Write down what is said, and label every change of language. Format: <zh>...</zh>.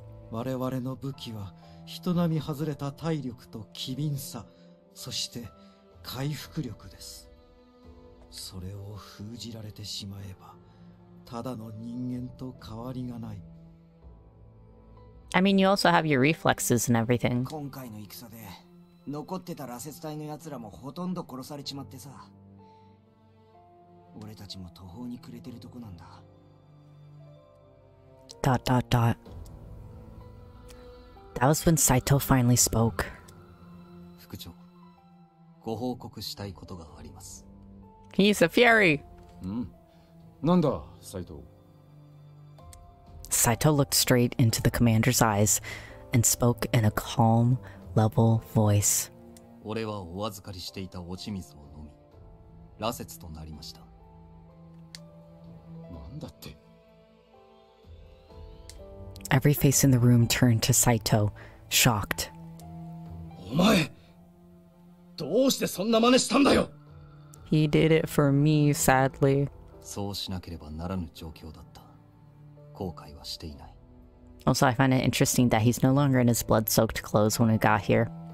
<ja>我々の武器は人並み外れた体力と機敏さ、そして回復力です。それを封じられてしまえば、ただの人間と変わりがない。</ja> <en>I mean, you also have your reflexes and everything.</en> <ja>今回の戦で残ってた羅刹隊の奴らもほとんど殺されちまってさ。俺たちも途方に暮れてるとこなんだ。</ja> <en>Dot dot dot. That was when Saito finally spoke.</en> <ja>副長、ご報告したいことがあります。</ja> <en>He's a fury!</en> <ja>なんだ、Saito?</ja> <en>Saito looked straight into the commander's eyes and spoke in a calm, level voice.</en> <ja>俺はお預かりしていたお血水を飲み、羅刹となりました。なんだって?</ja> <en>Every face in the room turned to Saito, shocked.</en> <ja>お前、どうしてそんな真似したんだよ?</ja> <en>He did it for me, sadly.</en> <ja>そうしなければならぬ状況だった。後悔はしていない。</ja> <en>Also, I find it interesting that he's no longer in his blood-soaked clothes when we got here.</en>